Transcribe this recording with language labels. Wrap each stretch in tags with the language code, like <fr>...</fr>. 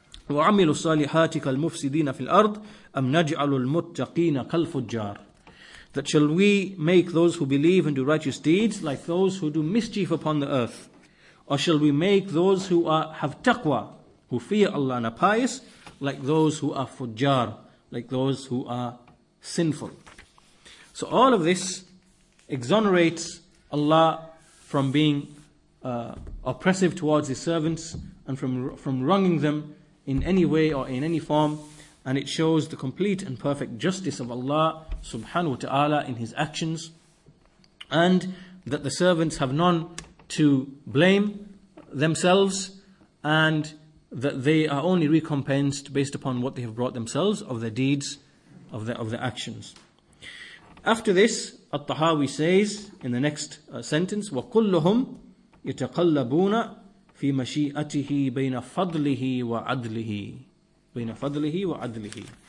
<ar>وعملوا الصالحات كالمفسدين في الأرض أم نجعل المتقين كالفجار.</ar> <en>That shall we make those who believe and do righteous deeds like those who do mischief upon the earth? Or shall we make those who have taqwa, who fear Allah and are pious, like those who are fujar, like those who are sinful? So all of this exonerates Allah from being oppressive towards His servants and from wronging them in any way or in any form. And it shows the complete and perfect justice of Allah subhanahu wa ta'ala in His actions, and that the servants have none to blame themselves, and that they are only recompensed based upon what they have brought themselves of their deeds, of their actions. After this, At-Tahawi says in the next sentence,</en> <ar>وَكُلُّهُمْ يَتَقَلَّبُونَ فِي مَشِيئَتِهِ بَيْنَ فَضْلِهِ وَعَدْلِهِ بَيْنَ فَضْلِهِ وَعَدْلِهِ.</ar>